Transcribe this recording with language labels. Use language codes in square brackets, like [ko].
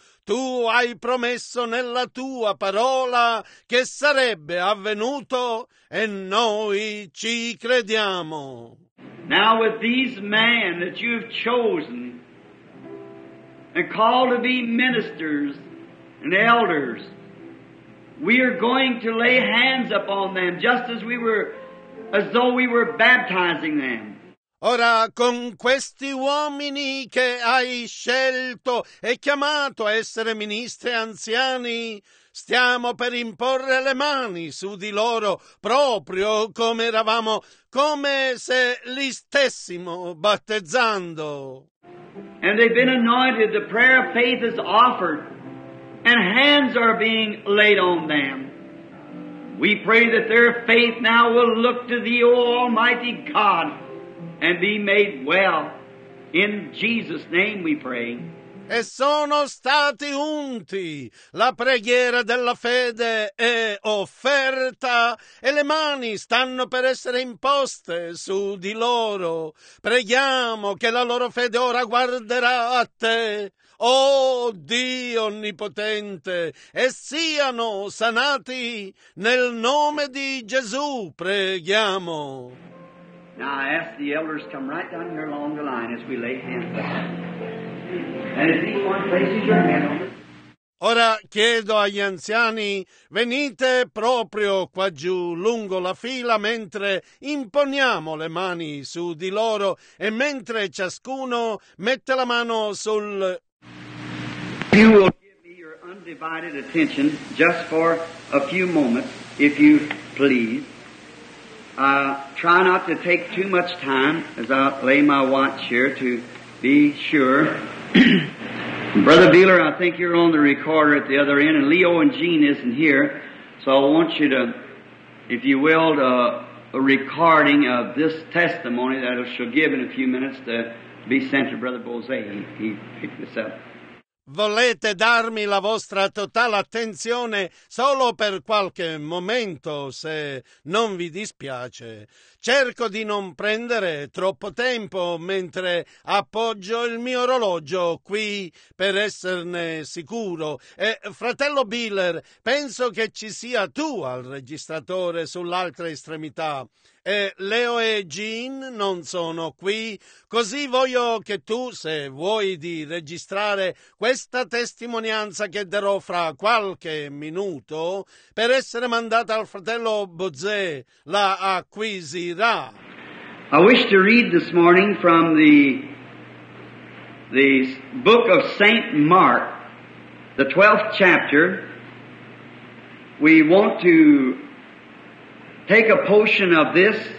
[it] Tu hai promesso nella tua parola che sarebbe avvenuto e noi ci crediamo. [en] Now with these men that you have chosen and called to be ministers and elders, we are going to lay hands upon them just as we were, as though we were baptizing them. [it] Ora con questi uomini che hai scelto e chiamato a essere ministri anziani, stiamo per imporre le mani su di loro proprio come eravamo, come se li stessimo battezzando. [en] And they've been anointed, the prayer of faith is offered, and hands are being laid on them. We pray that their faith now will look to Thee, O Almighty God, and be made well. In Jesus' name we pray. [it] E sono stati unti. La preghiera della fede è offerta e le mani stanno per essere imposte su di loro. Preghiamo che la loro fede ora guarderà a te, oh Dio Onnipotente, e siano sanati nel nome di Gesù, preghiamo. [en] Now I ask the elders to come right down here along the line as we lay hands on. And if anyone places your hand on it. [it] Ora chiedo agli anziani, venite proprio qua giù lungo la fila mentre imponiamo le mani su di loro e mentre ciascuno mette la mano sul. [en] You will give me your undivided attention just for a few moments, if you please. Try not to take too much time as I lay my watch here to be sure. Brother Beeler, I think you're on the recorder at the other end, and Leo and Jean isn't here, so I want you to, if you will, a recording of this testimony that she'll give in a few minutes to be sent to Brother Bose. He picked this up. [it] Volete darmi la vostra totale attenzione solo per qualche momento, se non vi dispiace. Cerco di non prendere troppo tempo mentre appoggio il mio orologio qui per esserne sicuro. E, fratello Beeler, penso che ci sia tu al registratore sull'altra estremità. E Leo e Jean non sono qui, così voglio che tu, se vuoi, di registrare questa testimonianza che darò fra qualche minuto per essere mandata al fratello Bozé, la acquisirà. [en] I wish to read this morning from the book of Saint Mark, the 12th chapter. We want to take a portion of this